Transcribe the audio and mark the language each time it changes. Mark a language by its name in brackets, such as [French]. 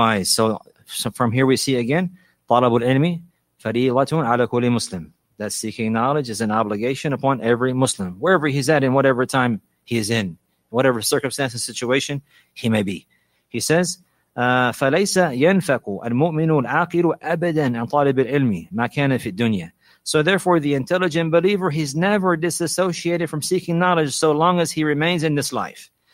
[English] So from here we see again, [Arabic] طَلَبُ الْعِلْمِ فَرِيضَةٌ عَلَى كُلِّ مُسْلِمٍ. [English] That seeking knowledge is an obligation upon every Muslim, wherever he's at, in whatever time he is in, whatever circumstance and situation he may be. He says, [Arabic] فليس ينفق المؤمن العاقل أبدا عن طالب العلم ما كان في الدنيا. [English] So therefore, the intelligent believer, he's never disassociated from seeking knowledge so long as he remains in this life.